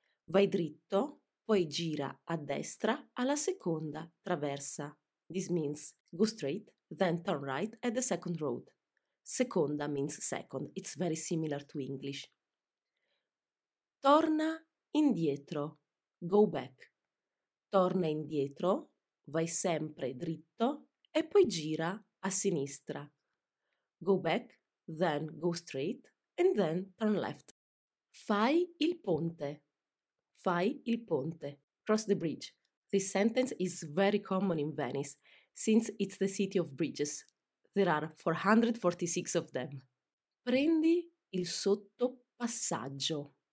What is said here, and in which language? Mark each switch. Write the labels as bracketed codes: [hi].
[it] Vai dritto, poi gira a destra alla seconda traversa. [en] This means go straight, then turn right at the second road. Seconda means second. It's very similar to English. [it] Torna indietro, [en] go back. [it] Torna indietro, vai sempre dritto e poi gira a sinistra. [en] Go back, then go straight, and then turn left. [it] Fai il ponte. Fai il ponte. [en] Cross the bridge. This sentence is very common in Venice, since it's the city of bridges. There are 446 of them. [it] Prendi il sottopassaggio.